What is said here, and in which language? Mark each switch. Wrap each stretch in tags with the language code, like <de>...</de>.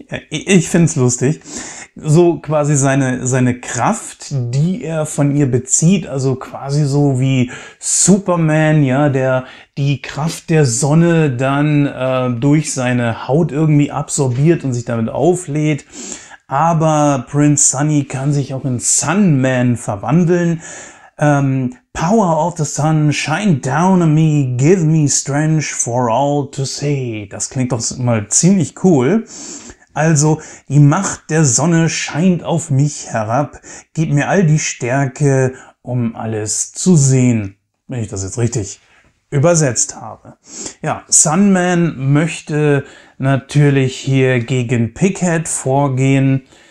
<de>ich finde es lustig. So quasi seine Kraft, die er von ihr bezieht, also quasi so wie Superman, ja, der die Kraft der Sonne dann durch seine Haut irgendwie absorbiert und sich damit auflädt. Aber Prinz Sunny kann sich auch in Sunman verwandeln.</de> <en>Power of the Sun, shine down on me, give me strength for all to see.</en> <de>Das klingt doch mal ziemlich cool. Also, die Macht der Sonne scheint auf mich herab. Gib mir all die Stärke, um alles zu sehen. Wenn ich das jetzt richtig übersetzt habe. Ja, Sunman möchte natürlich hier gegen Pighead vorgehen.</de>